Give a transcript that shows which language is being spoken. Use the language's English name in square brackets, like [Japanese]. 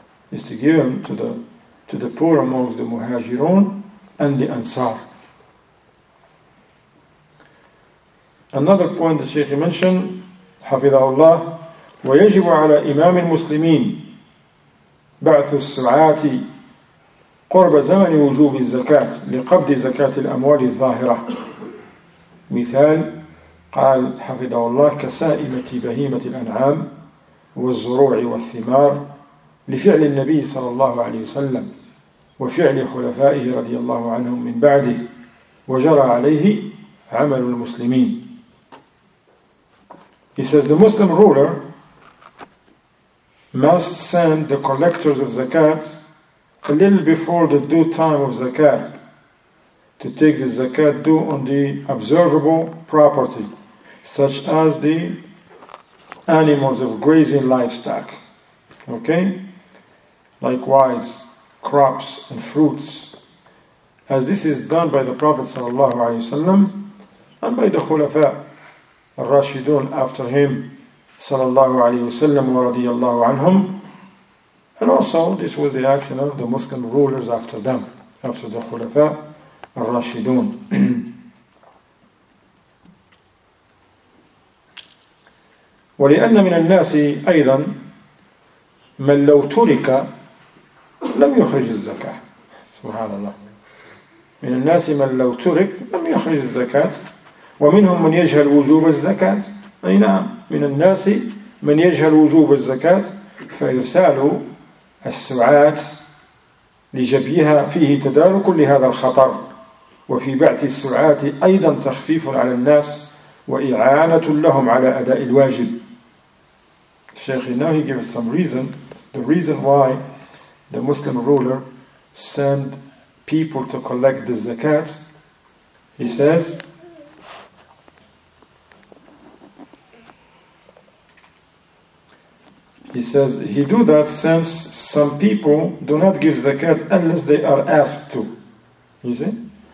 [English] Used to give them to the poor among the Muhajirun and the Ansar. Another point the Shaykh mentioned, [Arabic] حَفِظَهُ اللَّهِ وَيَجِبُ عَلَى إِمَامِ الْمُسْلِمِينَ بَعْثُ السُّعَاتِ قُرْبَ زَمَنِ وُجُوبِ الزَّكَاةِ لِقَبْدِ زَكَاةِ الْأَمْوَالِ الظَّاهِرَةِ. مثال, قال حَفِظَهُ اللَّهِ كَسَائِمَةِ بَهِيمَةِ الْأَنْعَامِ وَالزُّرُوعِ وَالثِّمَارِ لفعل النبي صلى الله عليه وسلم وفعل خلفائه رضي الله عنهم من بعده وجرى عليه عمل المسلمين. [English] He says the Muslim ruler must send the collectors of zakat a little before the due time of zakat, to take the zakat due on the observable property, such as the animals of grazing livestock. Okay? Likewise, crops and fruits. As this is done by the Prophet sallallahu alaihi wasallam and by the Khulafa al-Rashidun after him sallallahu alaihi wasallam wa radiyallahu anhum, and also this was the action of the Muslim rulers after them, after the Khulafa al-Rashidun. [Arabic] ولأن من الناس أيضا من لو ترك لم يخرج الزكاة. سبحان الله. من الناس من لو ترك لم يخرج الزكاة ومنهم من يجهل وجوب الزكاة. أي نعم، من الناس من يجهل وجوب الزكاة فيسال السعاة لجبيها، فيه تدارك لهذا الخطر، وفي بعث السعاة أيضا تخفيف على الناس وإعانة لهم على أداء الواجب. [English] Sheikh, now he gives some reason, the reason why the Muslim ruler sent people to collect the zakat. He says, he do that since some people do not give zakat unless they are asked to. You see?